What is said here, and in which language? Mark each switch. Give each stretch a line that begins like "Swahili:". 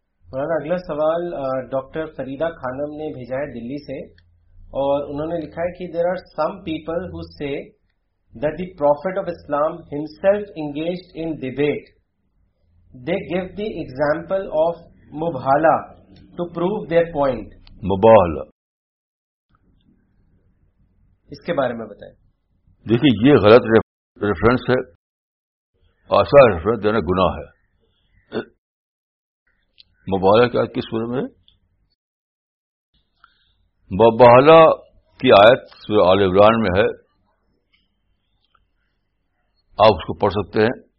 Urdu: مولانا اگلا سوال ڈاکٹر فریدہ خانم نے بھیجا ہے دلی سے، اور انہوں نے لکھا ہے کہ
English: There are some people who say that the prophet of Islam himself engaged in debate. They give the example of Mubhala to prove their point. Mubhala.
Urdu: اس کے بارے میں بتائیں. دیکھیے یہ غلط ریفرنس ہے، ایسا ریفرنس دینا گناہ ہے. Mubhala کی آیت کس سورہ میں؟ Mubhala کی آیت سورہ آل عمران میں ہے، آپ اس کو پڑھ سکتے ہیں.